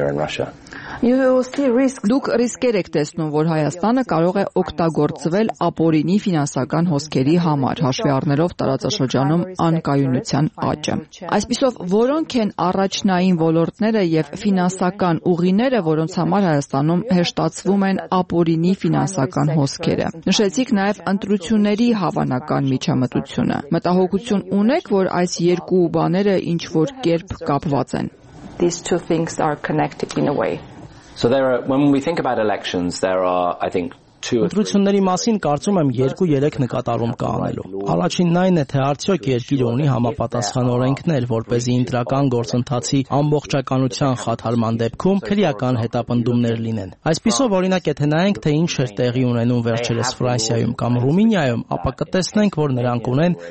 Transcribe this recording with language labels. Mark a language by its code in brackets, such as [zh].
[hy] Դուք ռիսկեր եք տեսնում, որ Հայաստանը կարող է օգտագործվել ապօրինի ֆինանսական հոսքերի համար, հաշվի առնելով տարածաշրջանում անկայունության աճը։ Այսպիսով, որոնք են առաջնային ոլորտները և ֆինանսական ուղիները, որոնց համար Հայաստանում հեշտացվում են ապօրինի ֆինանսական հոսքերը։ Նշեցիք նաև ընտրությունների հավանական միջամտությունը։ Մտահոգություն ունեք, որ այս երկու բաները ինչ-որ կերպ կապված են։ [en] These two things are connected in a way. So there are, when we think about elections, there are, I think, [hy] Ընտրությունների մասին կարծում եմ 2-3 նկատառում կա անելու։ Առաջինն այն է, թե արդյոք երկիրը ունի համապատասխան օրենքներ, որպեսզի ինտրական գործընթացի ամբողջականության խաթարման դեպքում քրեական հետապնդումներ լինեն։ Այսպիսով, օրինակ, եթե նայենք, թե ինչ էր տեղի ունենում վերջերս Ֆրանսիայում կամ Ռումինիայում, ապա կտեսնենք, որ նրանք ունեն